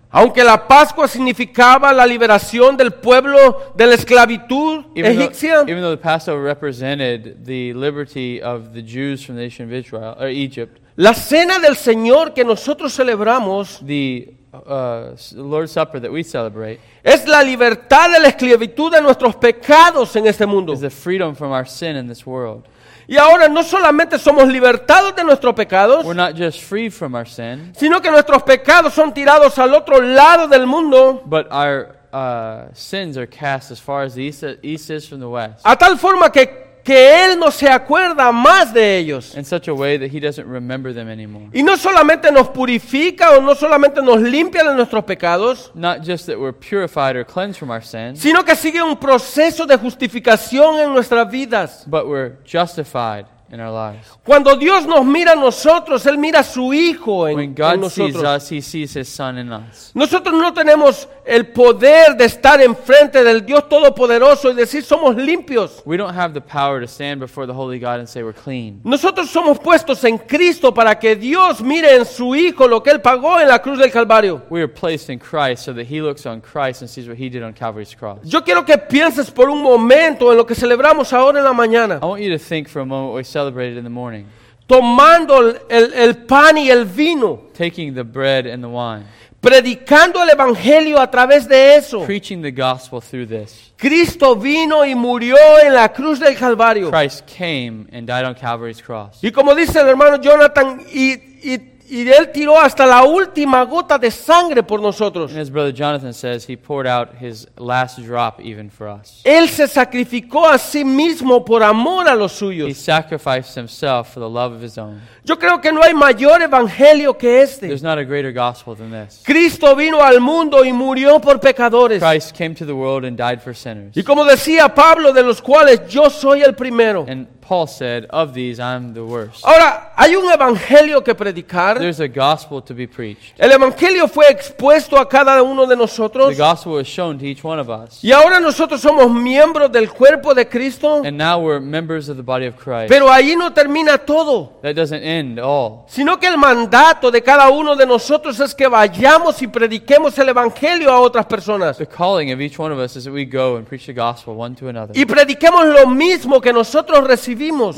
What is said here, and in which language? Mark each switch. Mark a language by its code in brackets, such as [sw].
[es] Aunque la Pascua significaba la liberación del pueblo de la esclavitud egipcia. [en] Even though the Passover represented the liberty of the Jews from the nation of Israel or Egypt. [es] La cena del Señor que nosotros celebramos, [en] the Lord's Supper that we celebrate, [es] es la libertad de la esclavitud de nuestros pecados en este mundo. [en] Is the freedom from our sin in this world. [es] Y ahora no solamente somos libertados de nuestros pecados, [en] we're not just free from our sin, [es] sino que nuestros pecados son tirados al otro lado del mundo. [en] But our sins are cast as far as the east is from the west. [es] A tal forma que él no se acuerda más de ellos. [en] In such a way that he doesn't remember them anymore. [es] Y no solamente nos purifica o no solamente nos limpia de nuestros pecados. [en] Not just that we're purified or cleansed from our sins. [es] Sino que sigue un proceso de justificación en nuestras vidas. [en] But we're justified in our lives. [es] Cuando Dios nos mira a nosotros, él mira a su hijo en nosotros. [en] When God sees us, he sees his son in us. [es] Nosotros no tenemos el poder de estar enfrente del Dios todopoderoso y decir somos limpios. [en] We don't have the power to stand before the holy God and say we're clean. [es] Nosotros somos puestos en Cristo para que Dios mire en su hijo lo que él pagó en la cruz del Calvario. [en] We are placed in Christ so that he looks on Christ and sees what he did on Calvary's cross. [es] Yo quiero que pienses por un momento en lo que celebramos ahora en la mañana. [en] I want you to think for a moment what we celebrated in the morning. [es] Tomando el pan y el vino. [en] Taking the bread and the wine. [es] Predicando el evangelio a través de eso. [en] Preaching the gospel through this. [es] Cristo vino y murió en la cruz del Calvario. [en] Christ came and died on Calvary's cross. [es] Y como dice el hermano Jonathan, y él tiró hasta la última gota de sangre por nosotros. [en] And as brother Jonathan says, he poured out his last drop even for us. [es] Él se sacrificó a sí mismo por amor a los suyos. [en] He sacrificed himself for the love of his own. [es] Yo creo que no hay mayor evangelio que este. [en] There's not a greater gospel than this. [es] Cristo vino al mundo y murió por pecadores. [en] Christ came to the world and died for sinners. [es] Y como decía Pablo, de los cuales yo soy el primero. [en] And Paul said, of these, I'm the worst. [es] Ahora, hay un evangelio que predicar. [en] There's a gospel to be preached. [es] El evangelio fue expuesto a cada uno de nosotros. [en] The gospel was shown to each one of us. [es] Y ahora nosotros somos miembros del cuerpo de Cristo. [en] And now we're members of the body of Christ. [es] Pero ahí no termina todo. [en] That doesn't end all. [es] Sino que el mandato de cada uno de nosotros es que vayamos y prediquemos el evangelio a otras personas. [en] The calling of each one of us is that we go and preach the gospel one to another. [es] Y prediquemos lo mismo que nosotros recibimos.